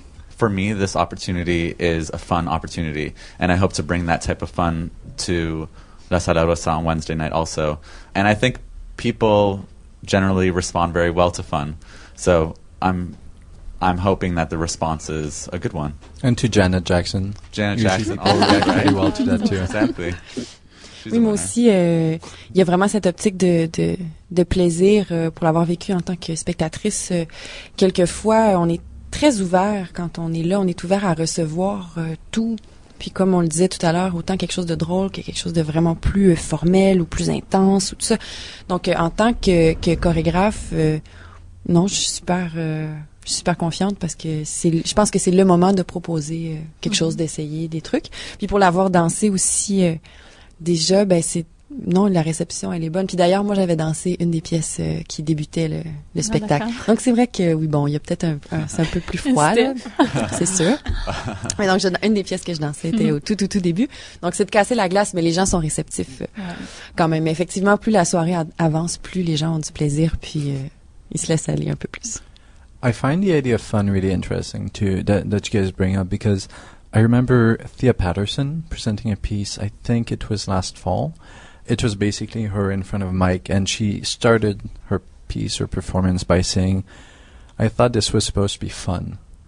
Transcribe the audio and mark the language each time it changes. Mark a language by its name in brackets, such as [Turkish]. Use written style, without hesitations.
[English] For me, this opportunity is a fun opportunity, and I hope to bring that type of fun to La Sala Rosa on Wednesday night also. And I think people generally respond very well to fun, so I'm hoping that the response is a good one. And to Janet Jackson. Janet Jackson always reacts pretty well to that too. Exactly. [French] Oui, moi aussi, il y a vraiment cette optique de plaisir pour l'avoir vécu en tant que spectatrice. Quelquefois, on est très ouvert quand on est là, on est ouvert à recevoir tout. Puis comme on le disait tout à l'heure, autant quelque chose de drôle que quelque chose de vraiment plus formel ou plus intense ou tout ça. Donc, en tant que chorégraphe, non, je suis super... Je suis super confiante parce que je pense que c'est le moment de proposer quelque mm-hmm. chose, d'essayer des trucs. Puis pour l'avoir dansé aussi... Déjà, ben c'est non, la réception elle est bonne. Puis d'ailleurs, moi j'avais dansé une des pièces qui débutait le spectacle. D'accord. Donc c'est vrai que oui, bon, il y a peut-être c'est un peu plus froid, là, c'est sûr. Mais donc une des pièces que je dansais était au tout début. Donc c'est de casser la glace, mais les gens sont réceptifs quand même. Effectivement, plus la soirée avance, plus les gens ont du plaisir, puis ils se laissent aller un peu plus. [English] I find the idea of fun really interesting too that you guys bring up, because I remember Thea Patterson presenting a piece, I think it was last fall. It was basically her in front of a mic, and she started her piece or performance by saying, I thought this was supposed to be fun.